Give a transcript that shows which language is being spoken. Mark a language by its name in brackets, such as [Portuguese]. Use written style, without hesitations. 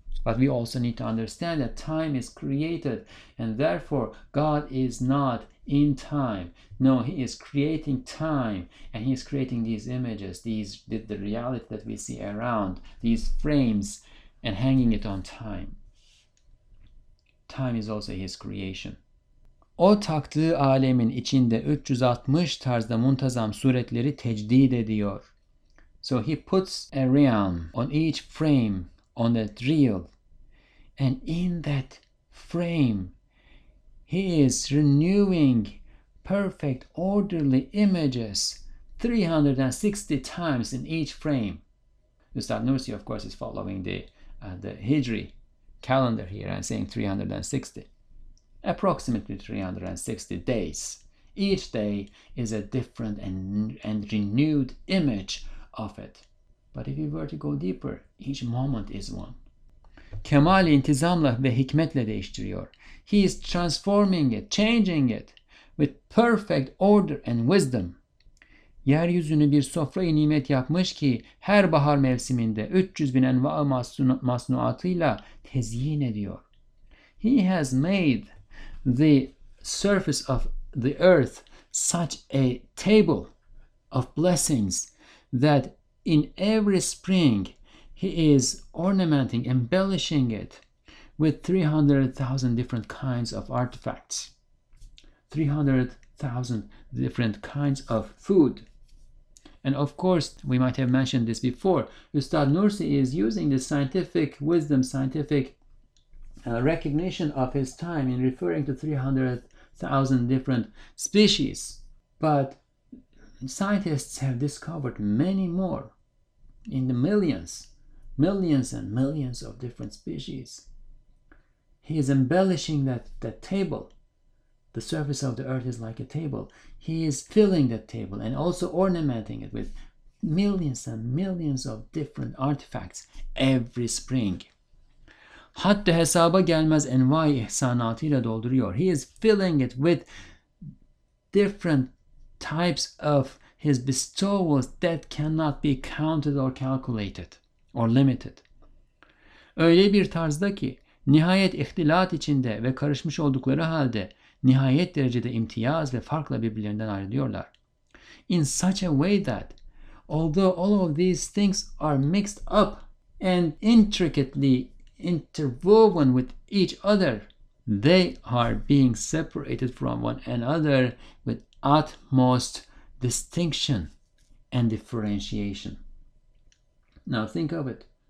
[English] But we also need to understand that time is created, and therefore God is not in time. No, he is creating time, and he is creating these images, the reality that we see around, these frames, and hanging it on time. Time is also his creation. [Turkish] O taktığı alemin içinde 360 tarzda muntazam suretleri tecdid ediyor. [English] So he puts a realm on each frame, on that reel. And in that frame, he is renewing perfect, orderly images 360 times in each frame. Ustad Nursi, of course, is following the Hijri calendar here and saying 360. Approximately 360 days. Each day is a different and renewed image of it. But if you were to go deeper, each moment is one. [Turkish] Kemal intizamla ve hikmetle değiştiriyor. [English] He is transforming it, changing it with perfect order and wisdom. [Turkish] Yeryüzünü bir sofra-i nimet yapmış ki her bahar mevsiminde 300 bin enva-ı masnuatıyla tezyin ediyor. [English] He has made the surface of the earth such a table of blessings that in every spring he is ornamenting, embellishing it with 300,000 different kinds of artifacts, 300,000 different kinds of food. And of course, we might have mentioned this before, Ustad Nursi is using the scientific wisdom, scientific recognition of his time in referring to 300,000 different species. But scientists have discovered many more, in the millions, millions and millions of different species. He is embellishing that table. The surface of the earth is like a table. He is filling that table and also ornamenting it with millions and millions of different artifacts every spring. [Turkish] Hatta hesaba gelmez envai ihsanatıyla dolduruyor. [English] He is filling it with different types of his bestowals that cannot be counted or calculated or limited. [Turkish] Öyle bir tarzda ki nihayet ihtilat içinde ve karışmış oldukları halde nihayet derecede imtiyaz ve farkla birbirlerinden ayrılıyorlar. [English] In such a way that, although all of these things are mixed up and intricately interwoven with each other, they are being separated from one another with utmost distinction and differentiation. Now think of it.